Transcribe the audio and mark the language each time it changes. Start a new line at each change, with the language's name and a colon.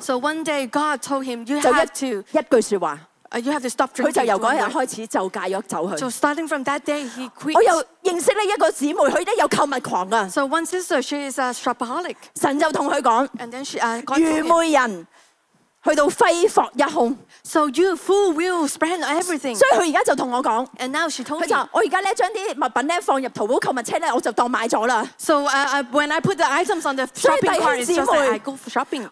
English: So one day God told him, you have to。
Cantonese: 一句説話。
English: You have to stop drinking。
Cantonese: 佢就由嗰日開始就戒咗酒去。
English: So starting from that day, he quit。
Cantonese: 我又認識咧一個姊妹，佢咧有購物狂啊。
English: So one sister, she is a shopaholic。
Cantonese: 神就同佢講
English: ，And then she
Cantonese: God 愚昧人去到揮霍一空。
English: So you fool will spend everything。
Cantonese: 所以佢而家就同我講
English: ，And now she told me，
Cantonese: 佢就我而家咧將啲物品咧放入淘寶購物車咧，我就當買咗啦。
English: So when I put the items on the shopping cart, it's just like I go for shopping。